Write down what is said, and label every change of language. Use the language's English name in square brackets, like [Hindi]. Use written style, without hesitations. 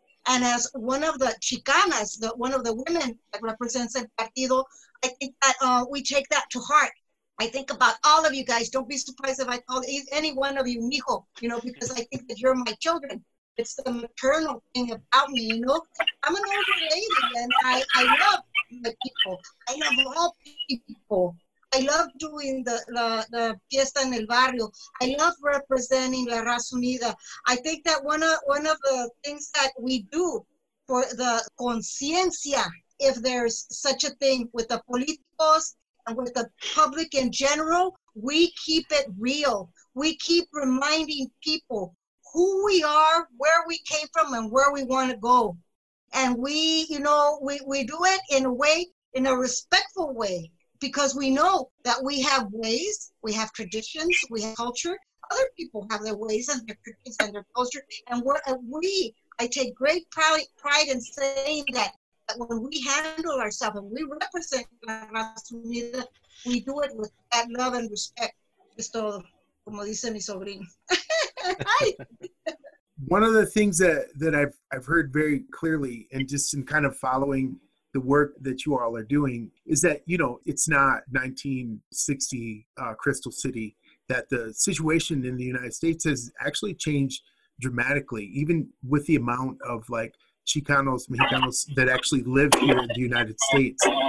[English] And as one of the Chicanas, one of the women that represents El Partido, I think that we take that to heart. I think about all of you guys. Don't be surprised if I call any one of you mijo, you know, because I think that you're my children. It's the maternal thing about me, you know. I'm an older lady, and I love the people. I love all people. I love doing the [Spanish] fiesta en el barrio. [English] I love representing La Raza Unida. I think that one of the things that we do for the conciencia, if there's such a thing with the políticos and with the public in general, we keep it real. We keep reminding people who we are, where we came from, and where we want to go. And we do it in a respectful way. Because we know that we have ways, we have traditions, we have culture. Other people have their ways and their traditions and their culture. And I take great pride in saying that when we handle ourselves and we represent La Raza Unida, we do it with that love and respect. [Spanish] Esto, como dice mi sobrino. [English] Hi. One of the things that I've heard very clearly, and just in kind of following the work that you all are doing, is that, you know, it's not 1960 Crystal City, that the situation in the United States has actually changed dramatically, even with the amount of like Chicanos, Mexicanos that actually live here in the United States.